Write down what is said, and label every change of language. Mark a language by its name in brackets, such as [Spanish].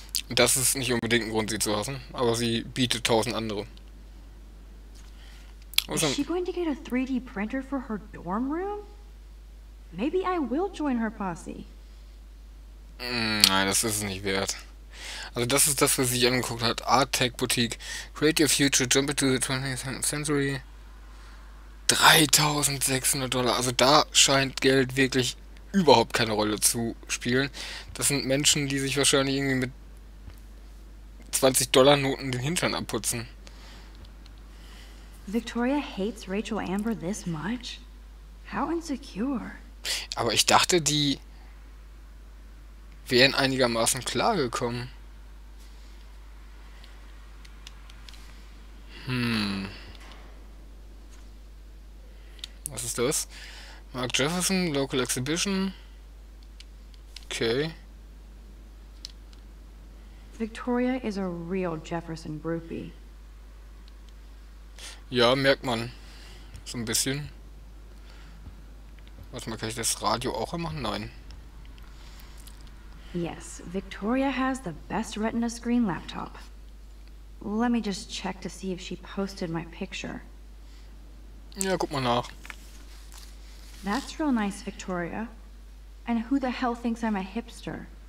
[German] Das ist nicht unbedingt ein Grund, sie zu hassen, aber sie bietet tausend andere. [English] Was is she going to get a 3D printer for her dorm room? Maybe I will join her posse. [German] Nein, das ist es nicht wert. Also das ist das, was sie sich angeguckt hat. [English] Art Tech Boutique. Create your future, jump into the 20th century. $3,600. [German] Also da scheint Geld wirklich überhaupt keine Rolle zu spielen. Das sind Menschen, die sich wahrscheinlich irgendwie mit 20-Dollar-Noten den Hintern abputzen. [English] Victoria hates Rachel Amber this much? How insecure. [German] Aber ich dachte, die wären einigermaßen klargekommen. Was ist das? Mark Jefferson, Local Exhibition. Okay. [English] Victoria is a real Jefferson groupie. [German] Ja, merkt man. So ein bisschen. Warte mal, kann ich das Radio auch machen? Nein. [English] Yes, Victoria has the best Retina screen laptop. Let me just check to see if she posted my picture. [German] Ja, guck mal nach. [English] That's real nice, Victoria. And who the hell thinks I'm a hipster?